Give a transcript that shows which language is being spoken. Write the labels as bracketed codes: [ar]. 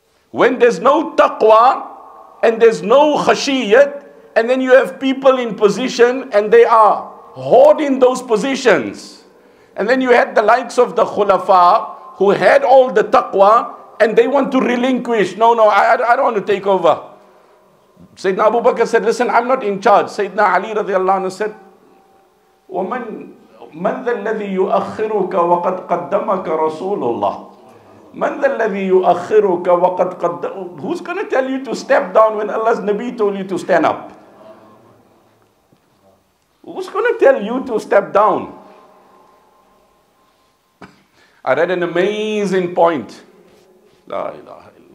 [en] When there's no taqwa and there's no khashiyat, and then you have people in position and they are hoarding those positions. And then you had the likes of the khulafa who had all the taqwa and they want to relinquish. No, I don't want to take over. Sayyidina Abu Bakr said, listen, I'm not in charge. [ar] Sayyidina Ali radiallahu anhu said, وَمَنْ ذَا الَّذِي يُؤَخِّرُكَ وَقَدْ قَدَّمَكَ رَسُولُ اللَّهِ مَنْ ذَا الَّذِي يُؤَخِّرُكَ وَقَدْ قَدَّمَكَ. [en] Who's going to tell you to step down when Allah's Nabi told you to stand up? Who's going to tell you to step down? I read an amazing point. La ilaha.